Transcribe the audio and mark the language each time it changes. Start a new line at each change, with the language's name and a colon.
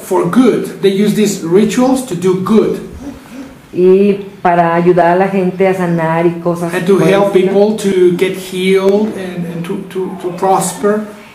English: For good they use these rituals to do good.
Spanish: Y para ayudar a la gente a sanar y cosas.
English: And to help people to get healed and to prosper.